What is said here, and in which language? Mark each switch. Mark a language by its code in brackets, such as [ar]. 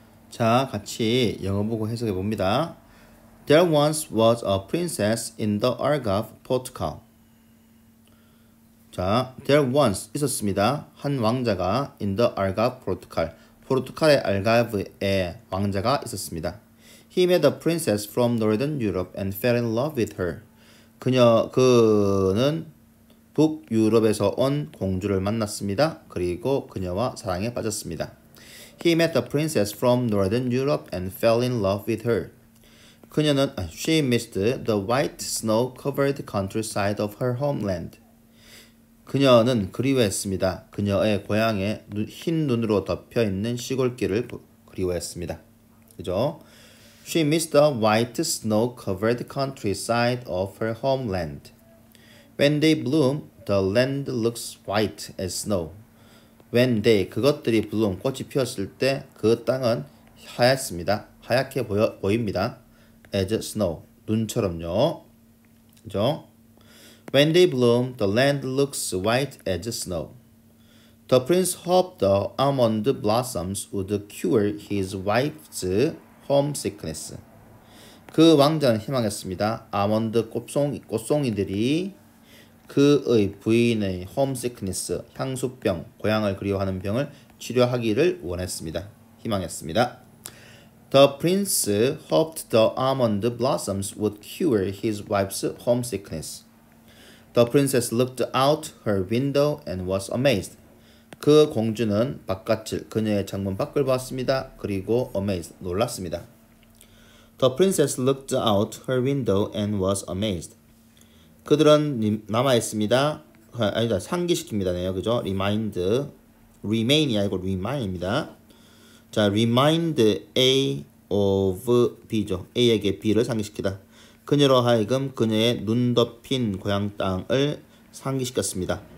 [ko] 자, 같이 영어 보고 해석해 봅니다. [en] There once was a princess in the Argav Portugal. [ko] 자, [en] there once [ko] 있었습니다. 한 왕자가 [en] in the Argav Portugal. [ko] 포르투갈의 알가브에 왕자가 있었습니다. [en] He met a princess from Northern Europe and fell in love with her. [ko] 그는 북유럽에서 온 공주를 만났습니다. 그리고 그녀와 사랑에 빠졌습니다. [en] He met a princess from Northern Europe and fell in love with her. She missed the white snow-covered countryside of her homeland. [ko] 그녀는 그리워했습니다. 그녀의 고향에 흰 눈으로 덮여 있는 시골길을 그리워했습니다. 그죠? [en] She missed the white snow-covered countryside of her homeland. When they bloom, the land looks white as snow. When they, [ko] 그것들이 [en] bloom, [ko] 꽃이 피었을 때 그 땅은 하얗습니다. 하얗게 보입니다. [en] As snow, [ko] 눈처럼요. 그죠? [en] When they bloom, the land looks white as snow. The prince hoped the almond blossoms would cure his wife's homesickness. [ko] 그 왕자는 희망했습니다. 아몬드 꽃송이들이 그의 부인의 homesickness, 향수병, 고향을 그리워하는 병을 치료하기를 원했습니다. 희망했습니다. [en] The prince hoped the almond blossoms would cure his wife's homesickness. The princess looked out her window and was amazed. [ko] 그 공주는 바깥을 그녀의 창문 밖을 보았습니다. 그리고 amazed, 놀랐습니다. [en] The princess looked out her window and was amazed. [ko] 그들은 남아있습니다. 아니다, 상기시킵니다네요. 그죠? Remind. Remain이 아니고 remind입니다. 자, remind A of B죠. A에게 B를 상기시키다. 그녀로 하여금 그녀의 눈 덮인 고향 땅을 상기시켰습니다.